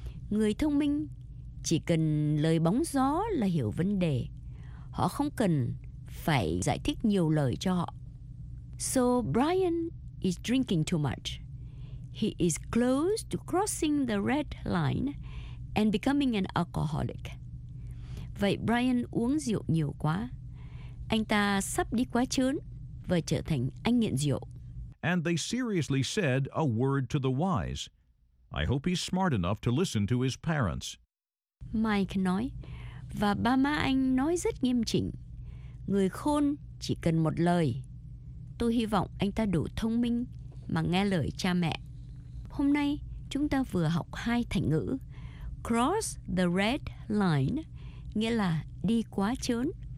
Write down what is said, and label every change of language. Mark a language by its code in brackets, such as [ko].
[vi] Người thông minh chỉ cần lời bóng gió là hiểu vấn đề. Họ không cần phải giải thích nhiều lời cho họ. [en] So Brian is drinking too much. He is close to crossing the red line and becoming an alcoholic. [vi] Vậy Brian uống rượu nhiều quá. Anh ta sắp đi quá chớn và trở thành anh nghiện rượu. [en] And they seriously said a word to the wise. I hope he's smart enough to listen to his parents. [vi] Mike nói, và ba má anh nói rất nghiêm chỉnh. Người khôn chỉ cần một lời. Tôi hy vọng anh ta đủ thông minh mà nghe lời cha mẹ. Hôm nay, chúng ta vừa học hai thành ngữ. [en] Cross the red line, [vi] nghĩa là đi quá chớn.